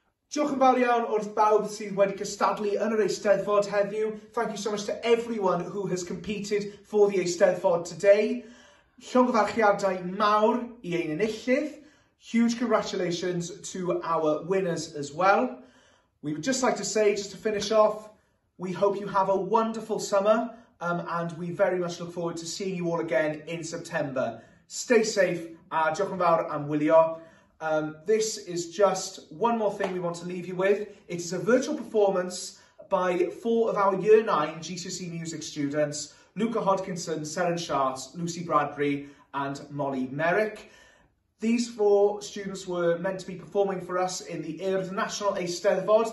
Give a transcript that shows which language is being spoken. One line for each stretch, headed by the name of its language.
Welsh: Wrth bawb sydd wedi cystadlu yn yr Eisteddfod heddiw.
English: Thank you so much to everyone who has competed for the Eisteddfod today.
Welsh: Llongyfarchiadau mawr i ein enillydd.
English: Huge congratulations to our winners as well. We would just like to say, just to finish off, we hope you have a wonderful summer and we very much look forward to seeing you all again in September. Stay safe,
Welsh: a diolch yn fawr am wylio.
English: This is just one more thing we want to leave you with. It is a virtual performance by four of our Year 9 GCSE Music students, Luca Hodkinson, Seren Schatz, Lucy Bradbury and Molly Merrick. These four students were meant to be performing for us in the Earth National Eisteddfod.